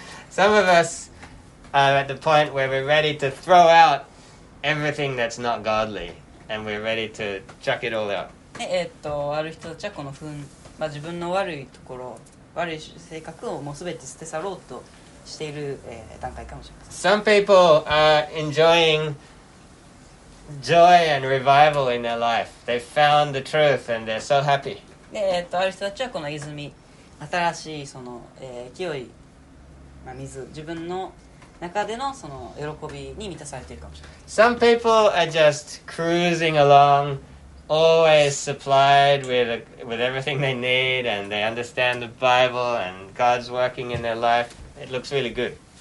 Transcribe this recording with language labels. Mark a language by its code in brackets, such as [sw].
[en] Some of us are at the point where we're ready to throw out everything that's not godly, and we're ready to chuck it all out. [ja] ある人たちはこの憤、まあ、自分の悪いところ、悪い性格をもうすべて捨て去ろうと。している、段階かもしれません。 [en] Some people are enjoying joy and revival in their life. They found the truth and they're so happy. [ja] で、ある人たちはこの泉、新しいその、勢い、まあ、水、自分の中でのその喜びに満たされているかもしれません。 [en] Some people are just cruising along always supplied with everything they need, and they understand the Bible, and God's working in their life. It looks really good.